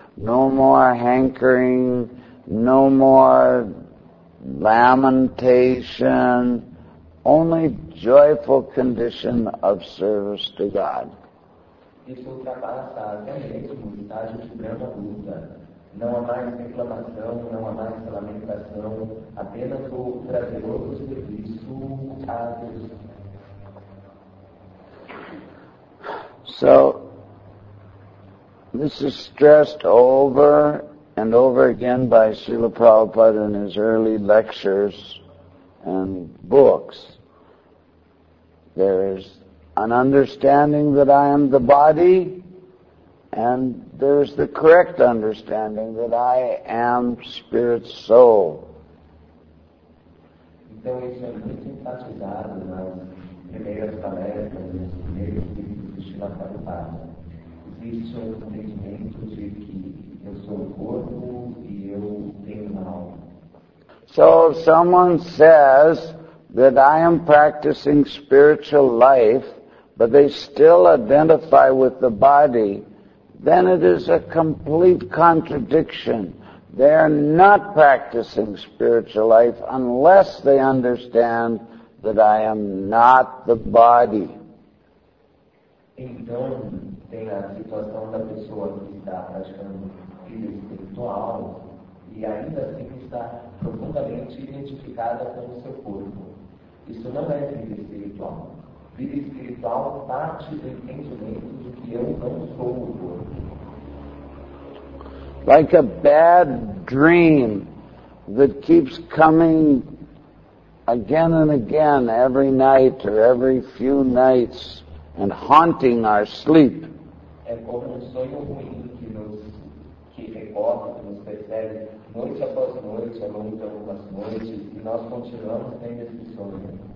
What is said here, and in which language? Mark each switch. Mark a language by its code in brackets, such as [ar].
[en] No more hankering, no more lamentation, only joyful condition of service to God. [pt] Isso ultrapassa até mesmo o estágio de Brahma Buddha. Não há mais reclamação, não há mais lamentação, apenas o prazeroso serviço a Deus. [en] So, this is stressed over and over again by Srila Prabhupada in his early lectures and books. There is an understanding that I am the body, and there is the correct understanding that I am spirit soul. [pt] Então isso é muito enfatizado nas primeiras palestras, nos primeiros livros de Srila Prabhupada. Existe um entendimento de que eu sou o corpo e eu tenho uma alma. [en] So if someone says that I am practicing spiritual life, but they still identify with the body, then it is a complete contradiction. They are not practicing spiritual life unless they understand that I am not the body. [pt] Então, tem a situação da pessoa que está praticando espiritual e ainda assim está profundamente identificada com o seu corpo. Isso não é espiritual. vida espiritual parte do entendimento de que eu não sou o corpo. [en] Like a bad dream that keeps coming again and again every night or every few nights and haunting our sleep. [pt] É como sonho ruim que recorda, que nos persegue noite após noite, ao longo de algumas noites, e nós continuamos tendo esse sonho.